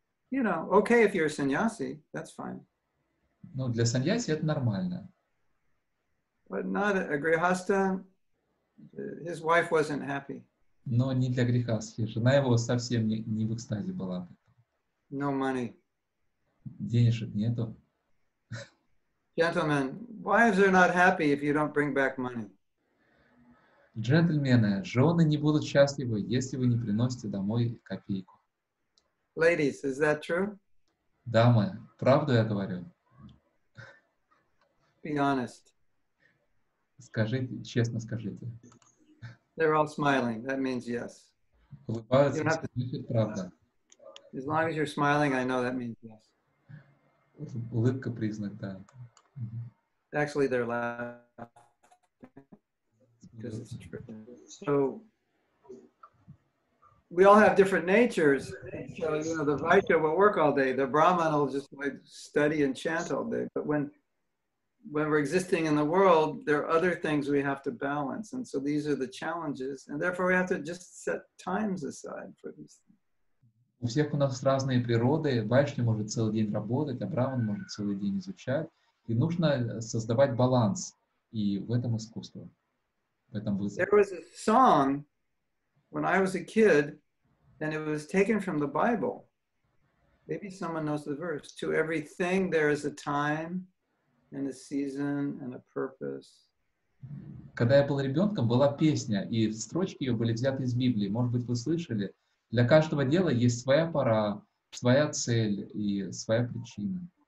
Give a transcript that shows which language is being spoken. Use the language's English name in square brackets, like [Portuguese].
[English] You know, okay if you're a sannyasi, that's fine. [Russian] Ну, для саньяси это нормально. [English] But not a grihastha, his wife wasn't happy. [Russian] Но не для греха. Жена его совсем не в экстазе была. [English] No money. [Russian] Денежек нету. [English] Gentlemen, wives are not happy if you don't bring back money. [Russian] Джентльмены, жены не будут счастливы, если вы не приносите домой копейку. [English] Ladies, is that true? [Russian] Дамы, правду я говорю? [English] Be honest. [Russian] Скажите, честно скажите. [English] They're all smiling, that means yes. [Russian] Улыбаются, скажите, правда. [English] As long as you're smiling, I know that means yes. [Russian] Улыбка признак, да. [English] Actually, they're laughing. It's true. So, we all have different natures. So, you know, the Vaishya will work all day. The Brahman will just like study and chant all day. But when we're existing in the world, there are other things we have to balance. And so these are the challenges. And therefore, we have to just set times aside for these things. [Russian] У всех у нас разные природы. Вайшня может целый день работать, а Браман может целый день изучать. И нужно создавать баланс. И в этом искусство. В этом вызове. [English] There was a song when I was a kid, and it was taken from the Bible. Maybe someone knows the verse. To everything there is a time, and a season, and a purpose. [Russian] Когда я был ребенком, была песня, и строчки ее были взяты из Библии. Может быть, вы слышали? Для каждого дела есть своя пора, своя цель и своя причина.